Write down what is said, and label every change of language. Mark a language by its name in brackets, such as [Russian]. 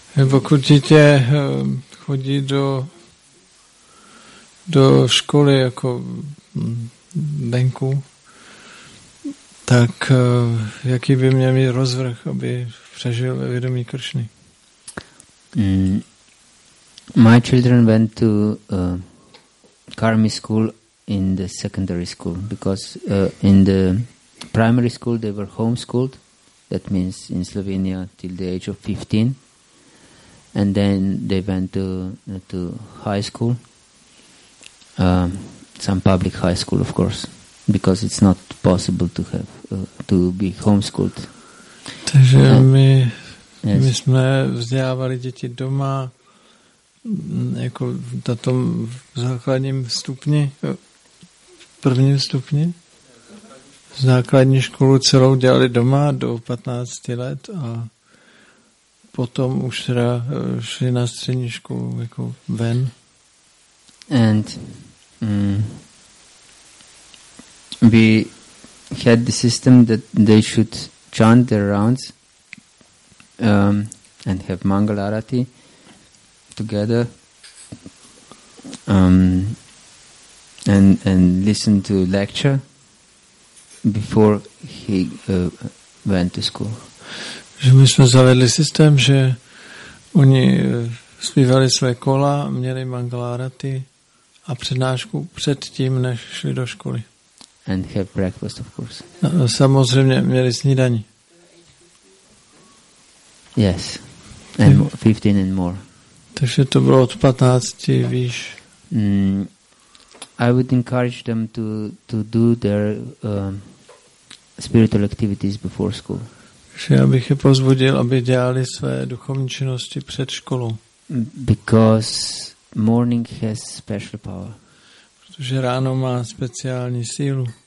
[Czech] Pokud dítě chodí do školy jako venku, tak jaký by měl mít rozvrh, aby přežil vědomí Kršny? [English] My children went to karmi school in the secondary school, because in the primary school they were homeschooled, that means in Slovenia till the age of 15. And then they went to high school, some public high school, of course, because it's not possible to have to be homeschooled. [Czech] Takže my jsme vzdělávali děti doma, jako na tom základním stupni, prvním stupni, základní školu celou dělali doma do 15 let a potom už teda šli na střední školu jako ven. [English] And we had the system that they should chant their rounds and have Mangal Arati together and listen to lecture before he went to school. [Czech] Že my jsme zavedli systém, že oni zpívali své kola, měli mangalárati a přednášku před tím, než šli do školy. [English] And have breakfast, of course. [Czech] A samozřejmě měli snídaní. [English] Yes. And 15 and more. [Czech] Takže to bylo od 15, víš. [English] I would encourage them to do their spiritual activities before school. [Czech] Že já bych je pozbudil, aby dělali své duchovní činnosti před školou. [English] Because morning has special power. [Czech] Protože ráno má speciální sílu.